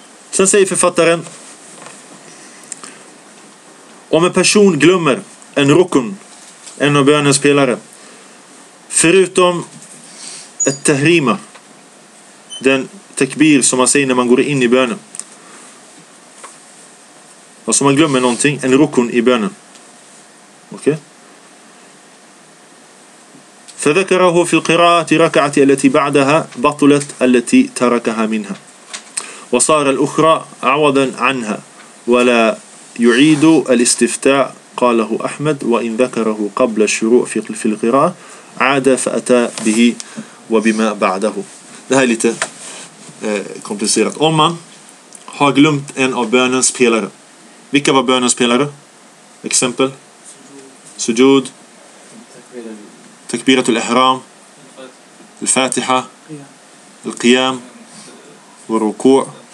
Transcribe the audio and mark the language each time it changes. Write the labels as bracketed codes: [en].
[sv] Sen säger författaren, om en person glömmer en rukun, en av bönens pelare, förutom ett tahrima, den takbir som man säger när man går in i bönen, alltså man glömmer någonting, en rukun i bönen, okej, okay. [ar] فذكره في القراءة ركعة التي بعدها بطلت التي تركها منها وصار الأخرى عوضا عنها ولا يعيد الاستفتاء قاله أحمد وإن ذكره قبل الشروع في القراءة عاد فأتى به وبما بعده. [sv] Det här är lite komplicerat. Om man har glömt en av bönens pelare, vilka var bönens pelare? Exempel, sujud, takbirat al-ihram, al-fatiha, al-qiyam, al-ruku'.